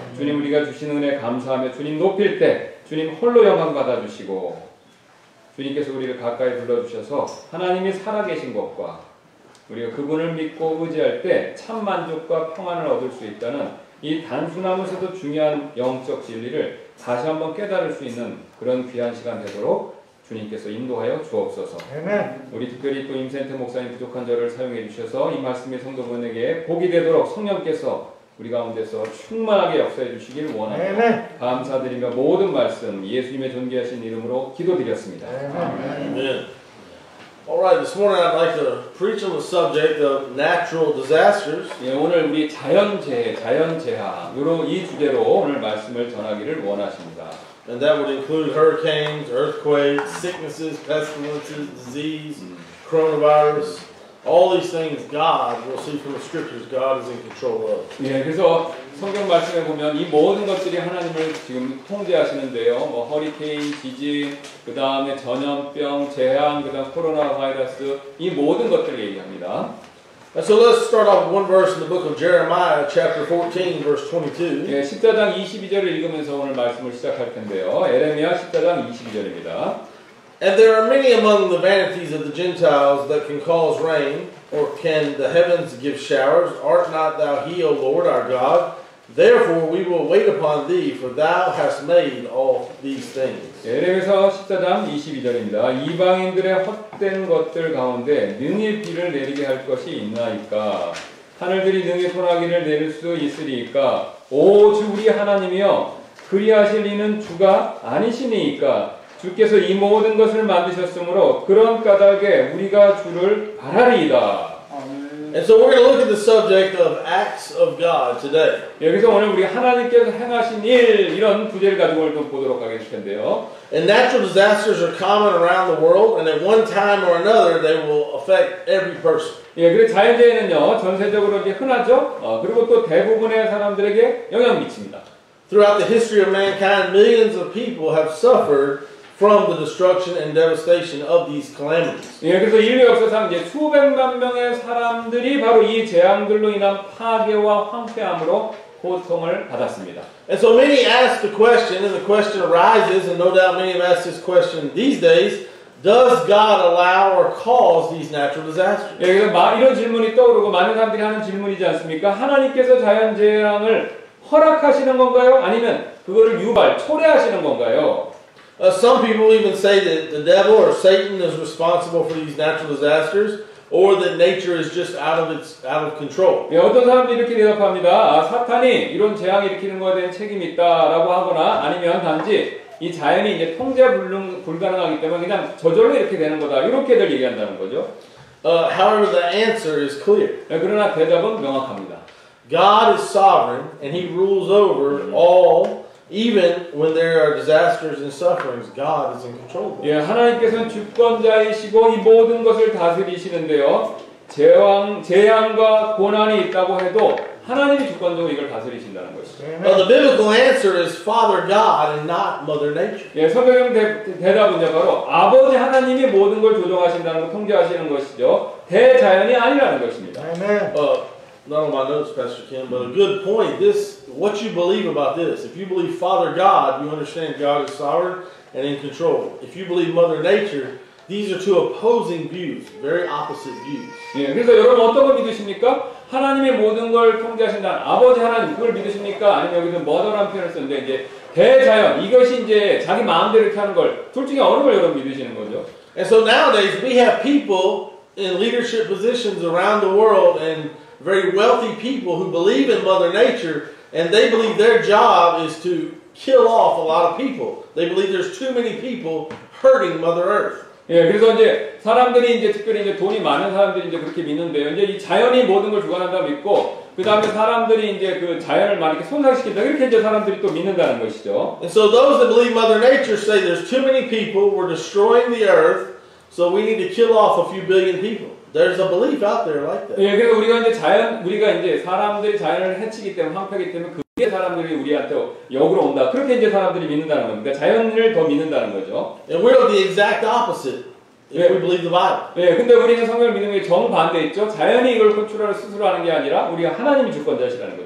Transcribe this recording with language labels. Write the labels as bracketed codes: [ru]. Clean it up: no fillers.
[ko] 주님 우리가 주신 은혜 감사하며 주님 높일 때 주님 홀로 영광 받아주시고 주님께서 우리를 가까이 불러주셔서 하나님이 살아계신 것과 우리가 그분을 믿고 의지할 때 참 만족과 평안을 얻을 수 있다는 이 단순하면서도 중요한 영적 진리를 다시 한번 깨달을 수 있는 그런 귀한 시간 되도록 주님께서 인도하여 주옵소서. 아멘. 우리 특별히 또 임센트 목사님 부족한 저를 사용해 주셔서 이 말씀이 성도분에게 복이 되도록 성령께서 우리 가운데서 충만하게 역사해 주시길 원합니다. 아멘. 감사드리며 모든 말씀 예수님의 존귀하신 이름으로 기도드렸습니다. 아멘. [en] All right, this morning I'd like to preach on the subject of natural disasters. [ko] 예, 오늘 우리 자연재해, 자연재하로 이 주제로 오늘 말씀을 전하기를 원하십니다. [en] And that would include hurricanes, earthquakes, sicknesses, pestilences, disease, coronavirus. All these things God, we'll see from the scriptures, God is in control of. [ko] 예, 그래서 성경 말씀에 보면 이 모든 것들이 하나님을 지금 통제하시는데요. 뭐 허리케인, 지진, 그 다음에 전염병, 재앙, 그 다음 코로나 바이러스 이 모든 것들을 얘기합니다. [en] So let's start off with one verse in the book of Jeremiah, chapter 14, verse 22. [ko] 예, 십사장 22절을 읽으면서 오늘 말씀을 시작할 텐데요. 예레미야 십사장 22절입니다. [en] And there are many among the vanities of the Gentiles that can cause rain, or can the heavens give showers? Art not thou He, O Lord our God? Therefore we will wait upon thee, for thou hast made all these things. [ko] 예레미야 십사장 22절입니다. 이방인들의 헛된 것들 가운데 능히 비를 내리게 할 것이 있나이까? 하늘들이 능히 소나기를 내릴 수 있으리이까? 오 주 우리 하나님이여, 그리하실 이는 주가 아니시니이까? 주께서 이 모든 것을 만드셨으므로 그런 까닭에 우리가 주를 바라리이다. [en] And so we're going to look at the subject of acts of God today. [ko] 여기서 오늘 우리 하나님께서 행하신 일 이런 주제를 가지고 좀 보도록 하겠는데요. [en] And natural disasters are common around the world, and at one time or another, they will affect every person. [ko] 예, 그리고 자연재해는요 전세적으로 이제 흔하죠. 그리고 또 대부분의 사람들에게 영향 미칩니다. [en] Throughout the history of mankind, millions of people have suffered from the destruction and devastation of these calamities. [ko] 예, 그래서 인류 역사상 이제 수백만 명의 사람들이 바로 이 재앙들로 인한 파괴와 황폐함으로 고통을 받았습니다. [en] And so many ask the question, and the question arises, and no doubt many have asked this question these days, does God allow or cause these natural disasters? [ko] 예, 이런 질문이 떠오르고 많은 사람들이 하는 질문이지 않습니까? 하나님께서 자연재앙을 허락하시는 건가요? 아니면 그거를 유발, 초래하시는 건가요? [en] Some people even say that the devil or Satan is responsible for these natural disasters, or that nature is just out of control. [ko] 예, 어떤 사람들이 이렇게 대답합니다. 아, 사탄이 이런 재앙 일으키는 것에 대한 책임이 있다라고 하거나 아니면 단지 이 자연이 이제 통제 불가능하기 때문에 그냥 저절로 이렇게 되는 거다. 이렇게들 얘기한다는 거죠. [en] However, the answer is clear. [ko] 예, 그러나 대답은 명확합니다. [en] God is sovereign, and He rules over all. Even when there are disasters and sufferings, God is in control. [ko] 예, 하나님께서는 주권자이시고 이 모든 것을 다스리시는데요. 재앙과 고난이 있다고 해도 하나님이 주권적으로 이걸 다스리신다는 것이죠. [en] Well, the biblical answer is Father God and not Mother Nature. [ko] 예, 성경 대답은요 바로 아버지 하나님이 모든 걸 조종하신다는 것, 통제하시는 것이죠. 대자연이 아니라는 것입니다. [en] Amen. Not on my notes, Pastor Kim, but a good point. This, what you believe about this, if you believe Father God, you understand God is sovereign and in control. If you believe Mother Nature, these are two opposing views, very opposite views. [ko] 예, 그래서 여러분 어떤 걸 믿으십니까? 하나님의 모든 걸 통제하신다. 아버지 하나님, 그걸 믿으십니까? 아니면 여기서 Mother란 표현을 썼는데, 이제 대자연, 이것이 이제 자기 마음대로 이렇게 하는 걸, 둘 중에 어느 걸 여러분 믿으시는 거죠? [en] And so nowadays we have people in leadership positions around the world and very wealthy people who believe in Mother Nature, and they believe their job is to kill off a lot of people. They believe there's too many people hurting Mother Earth. [ko] 예, 그래서 이제 사람들이 이제 특별히 이제 돈이 많은 사람들이 이제 그렇게 믿는데요. 이제 이 자연이 모든 걸 주관한다고 믿고, 그 다음에 사람들이 이제 그 자연을 많이 손상시킨다. 이렇게 이제 사람들이 또 믿는다는 것이죠. [en] And so those that believe Mother Nature say there's too many people, we're destroying the earth, so we need to kill off a few billion people. There's a belief out there like that. [ko] 예, 그래서 우리가 이제 자연, 우리가 이제 사람들이 자연을 해치기 때문에, 황폐하기 때문에 그게 사람들이 우리한테 역으로 온다. 그렇게 이제 사람들이 믿는다는 겁니다. 자연을 더 믿는다는 거죠. [en] And we're the exact opposite. If we believe the Bible. [ko] 예, 근데 우리는 성경을 믿는 게 정반대 있죠. 자연이 이걸 컨트롤 스스로 하는 게 아니라 우리가 하나님이 주권자시라는 거.